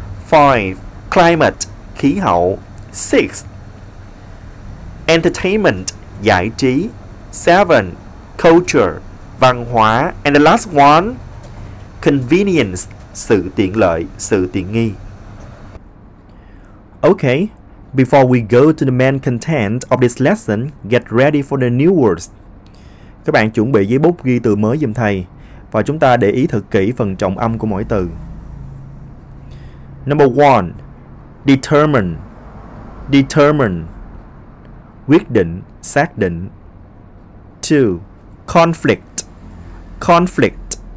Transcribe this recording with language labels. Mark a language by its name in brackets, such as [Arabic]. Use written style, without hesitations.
[English] Five, climate, [Vietnamese] khí hậu. [English] 6. Entertainment, [Vietnamese] giải trí. 7. [English] Culture, [Vietnamese] văn hóa. [English] And the last one, convenience, [Vietnamese] sự tiện lợi, sự tiện nghi. [English] Okay, before we go to the main content of this lesson, get ready for the new words. [Vietnamese] Các bạn chuẩn bị giấy bút ghi từ mới giùm thầy và chúng ta để ý thật kỹ phần trọng âm của mỗi từ. [English] Number 1. Determine, determine, [Vietnamese] quyết định, xác định. [English] 2. Conflict, conflict,